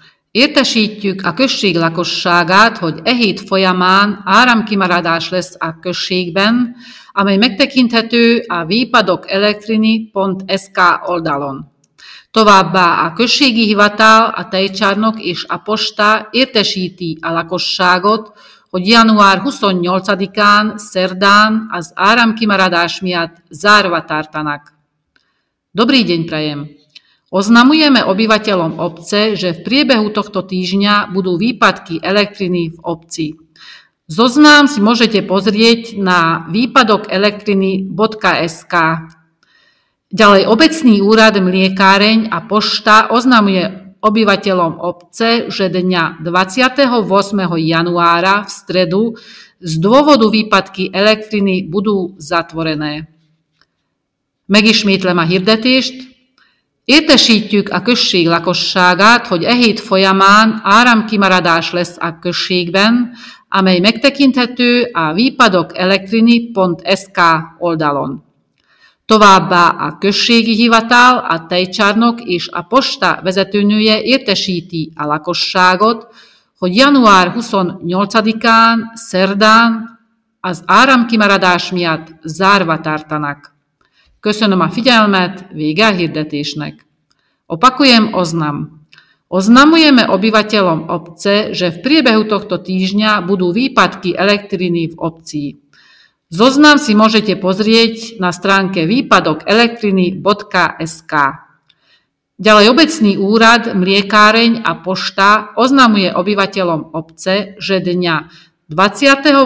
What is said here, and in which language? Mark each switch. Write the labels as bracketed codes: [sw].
[hu] Értesítjük a község lakosságát, hogy e hét folyamán áramkimaradás lesz a községben, amely megtekinthető a vipadokelektrini.sk oldalon. Továbbá a községi hivatal, a tejcsarnok és a posta értesíti a lakosságot, hogy január 28-án szerdán az áramkimaradás miatt zárva tartanak. [sk] Dobrý deň prajem! Oznamujeme obyvateľom obce, že v priebehu tohto týždňa budú výpadky elektriny v obci. Zoznám si môžete pozrieť na vypadokelektriny.sk. Ďalej obecný úrad mliekáreň a pošta oznamuje obyvateľom obce, že dňa 28. januára v stredu z dôvodu výpadky elektriny budú zatvorené. [hu] Megismétlem a hirdetést. Értesítjük a község lakosságát, hogy e hét folyamán áramkimaradás lesz a községben, amely megtekinthető a vipadokelektrini.sk oldalon. Továbbá a községi hivatal, a tejcsarnok és a posta vezetőnője értesíti a lakosságot, hogy január 28-án, szerdán az áramkimaradás miatt zárva tartanak. Köszönöm a figyelmet, vége a hirdetésnek! [sk] Opakujem oznam. Oznamujeme obyvateľom obce, že v priebehu tohto týždňa budú výpadky elektriny v obci. Zoznam si môžete pozrieť na stránke vypadokelektriny.sk. Ďalej obecný úrad, mliekáreň a pošta oznamuje obyvateľom obce, že dňa 28.